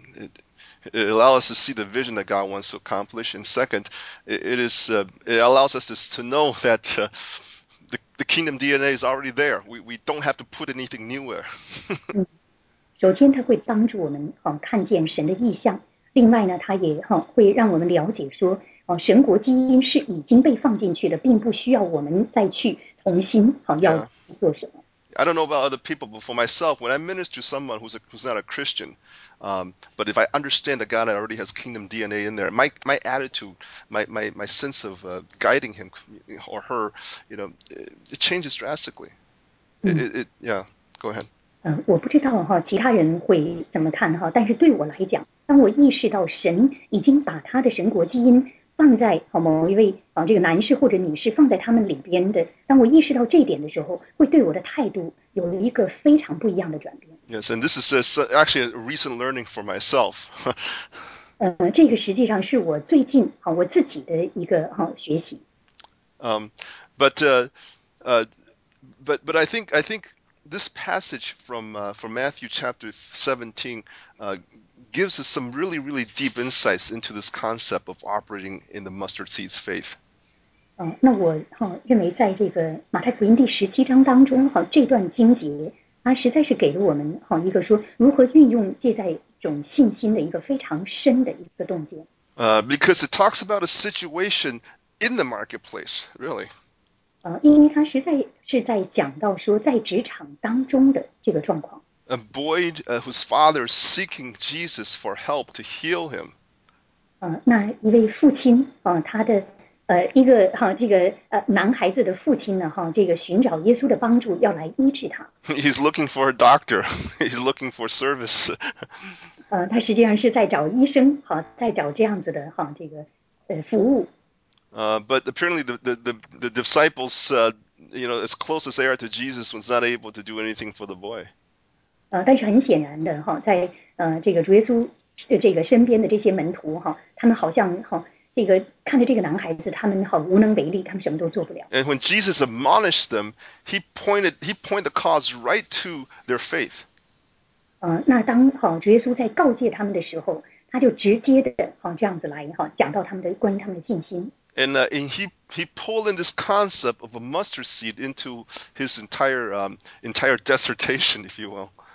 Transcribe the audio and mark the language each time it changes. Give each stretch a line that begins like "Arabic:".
English: First, it allows us to see the vision that God wants to accomplish. And second, it allows us to know that the kingdom DNA is already there. We don't have to put anything newer.
Chinese: 首先它会帮助我们看见神的意象，另外呢它也会让我们了解说神国基因是已经被放进去的，并不需要我们再去重新要做什么。
English: I don't know about other people, but for myself, when I minister to someone who's not a Christian, but if I understand that God already has kingdom DNA in there, my attitude, my sense of guiding him or her, it changes drastically. Go ahead.
Chinese: 我不知道其他人会怎么看但是对我来讲，当我意识到神已经把他的神国基因放在某一位这个男士或者女士放在他们里边的，当我意识到这一点的时候，会对我的态度有一个非常不一样的转变。
English: Yes, and this is actually a recent learning for myself.
Chinese: 这个实际上是我最近我自己的一个学习。
English: But I think this passage from Matthew chapter 17. Gives us some really, really deep insights into this concept of operating in the mustard seed's faith.
Chinese: 那我认为在这个马太福音第十七章当中这段经节它实在是给了我们一个说如何运用芥菜种信心的一个非常深的一个洞见。
English: Because it talks about a situation in the marketplace, really.
Chinese: 因为它实在是在讲到说在职场当中的这个状况。
English: A boy whose father is seeking Jesus for help to heal him.
Chinese: 那一位父亲他的一个这个男孩子的父亲呢这个寻找耶稣的帮助要来医治他。
English: He's looking for a doctor. He's looking for service.
Chinese: 他实际上是在找医生在找这样子的这个服务。
English: But apparently the disciples, as close as they are to Jesus, was not able to do anything for the boy.
Chinese: 但是很显然的在这个主耶稣的这个身边的这些门徒他们好像这个看着这个男孩子他们无能为力他们什么都做不了。
English: And when Jesus admonished them, he pointed the cause right to their faith.
Chinese: 那当主耶稣在告诫他们的时候他就直接的这样子来讲到他们的关于他们的信心。
English: And, and he pulled in this concept of a mustard seed into his entire dissertation, if you will.